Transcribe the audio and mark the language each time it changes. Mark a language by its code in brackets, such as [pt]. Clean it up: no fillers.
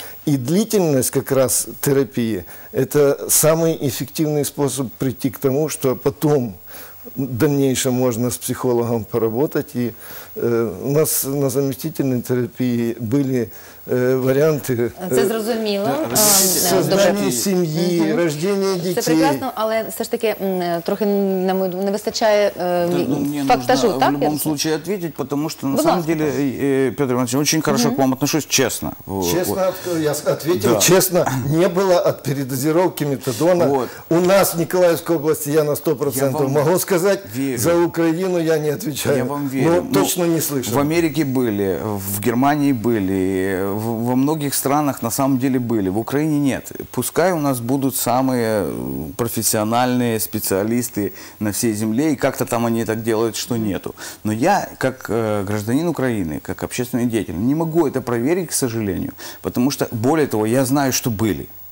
[ru] И длительность как раз терапии – это самый эффективный способ прийти к тому, что потом в дальнейшем можно с психологом поработать. И у нас на заместительной терапии были [uk] варіанти. Це зрозуміло. Зазнання сім'ї, рождення дітей. Це прекрасно, але все ж таки трохи не вистачає фактажу, так? В будь-якому випадку відповідати, тому що [ru] на самом деле, [uk] Петро Іванович, дуже [ru] хорошо к вам отношусь, [uk] чесно. Чесно, я відповів, чесно, не було від [ru] передозировки метадона. [uk] У нас в Миколаївській області я на 100% можу сказати, за Україну я не відповідаю. Я вам вірю. [ru] Точно не слышал. В Америке были, в Германии были, во многих странах на самом деле были. В Украине нет. Пускай у нас будут самые профессиональные специалисты на всей земле, и как-то там они так делают, что нету. Но я, как гражданин Украины, как общественный деятель, не могу это проверить, к сожалению, потому что, более того, я знаю, что были.